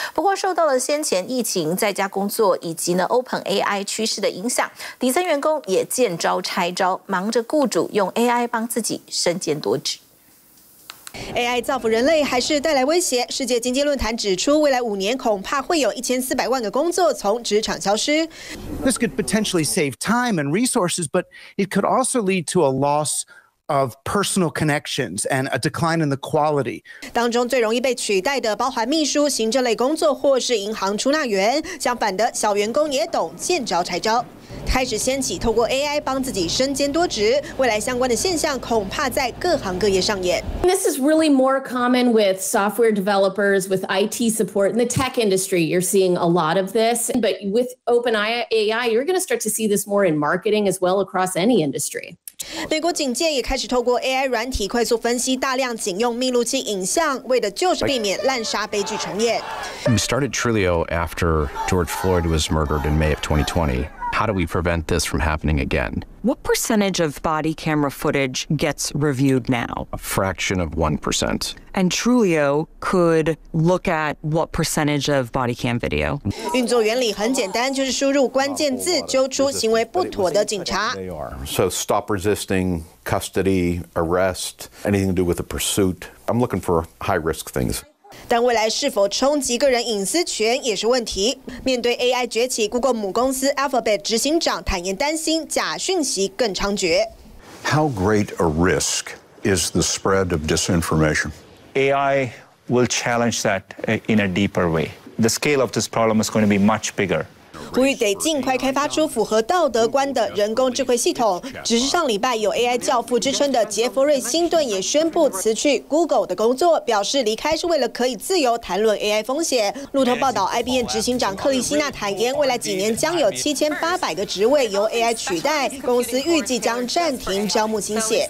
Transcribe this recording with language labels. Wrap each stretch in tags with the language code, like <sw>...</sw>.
<zh>不过受到了先前疫情在家工作以及呢 OpenAI 趋势的影响，底层员工也见招拆招，忙着雇主用 AI 帮自己身兼多职。 AI 造福人类还是带来威胁？世界经济论坛指出，未来5年恐怕会有1400万个工作从职场消失。</zh> <en>This could potentially save time and resources, but it could also lead to a loss. Of personal connections and a decline in the quality.</en> <zh>当中最容易被取代的包含秘书、行政类工作或是银行出纳员。相反的，小员工也懂见招拆招，开始掀起透过 AI 帮自己身兼多职。未来相关的现象恐怕在各行各业上演。</zh> <en>This is really more common with software developers, with IT support in the tech industry. You're seeing a lot of this, but with OpenAI, you're going to start to see this more in marketing as well across any industry.</en> <zh>美国警界也开始透过 AI 软体快速分析大量警用密录器影像，为的就是避免滥杀悲剧重演。</zh> <en>We started Trulio after George Floyd was murdered in May of 2020. How do we prevent this from happening again? What percentage of body camera footage gets reviewed now? A fraction of 1%. And Trulio could look at what percentage of body cam video?</en> <zh>运作原理很简单，就是输入关键字，揪出行为不妥的警察。</zh> <en>So stop resisting, custody, arrest, anything to do with a pursuit. I'm looking for high risk things.</en> <zh>但未来是否冲击个人隐私权也是问题。面对 AI 崛起 ，Google 母公司 Alphabet 执行长坦言担心假讯息更猖獗。</zh> <en>How great a risk is the spread of disinformation? AI will challenge that in a deeper way. The scale of this problem is going to be much bigger.</en> <zh>呼吁得尽快开发出符合道德观的人工智慧系统。只是上礼拜有 AI 教父之称的杰弗瑞·辛顿也宣布辞去 Google 的工作，表示离开是为了可以自由谈论 AI 风险。路透报道 ，IBM 执行长克里希纳坦言，未来几年将有7800个职位由 AI 取代，公司预计将暂停招募新血。</zh>